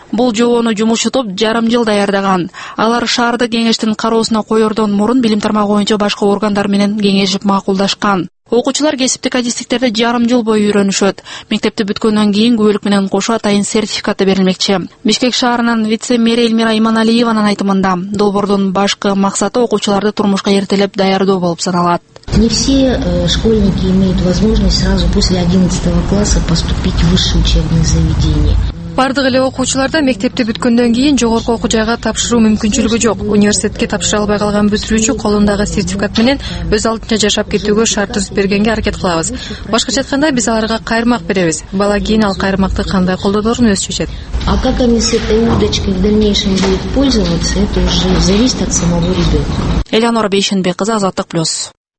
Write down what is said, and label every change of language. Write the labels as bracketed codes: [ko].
[ky] Бул жобону жумушутуп жарым жыл даярдаган. Алар шаардык кеңештин кароосуна коердон мурун билим тармагы боюнча башка органдар менен кеңешип макулдашкан. Окуучулар кесиптик адистиктерди жарым жыл бою үйрөнүшөт. Мектепти бүткөндөн кийин күбөлүк менен кошо атайын сертификаты берилмекчи. Бишкек шаарынын вице-мери Элмира Иманалиеванын айтымында, долбоордун башкы максаты окуучуларды турмушка эртелеп даярдоо болуп саналат. [ru] Не все школьники имеют возможность сразу после 11 класса поступить в высшее учебное заведение. [ky] Бардык эле окуучуларда мектепти бүткөндөн кийин жогорку окуу жайга тапшыруу мүмкүнчүлүгү жок. Университетке тапшыра албай калган бүтүрүүчү колундагы сертификат менен өз алдынча жашап кетүүгө шарт түзүп бергенге аракет кылабыз. Башкача айтканда, биз аларга кайрмак беребиз. Бала кийин ал кайрмакты кандай колдонорун өзү чечет. [ru] А как они с этой удочкой в дальнейшем будут пользоваться, это уже зависит от самого ребенка. [ky] Элеонор Бейшенбек кызы, Азаттык Плюс.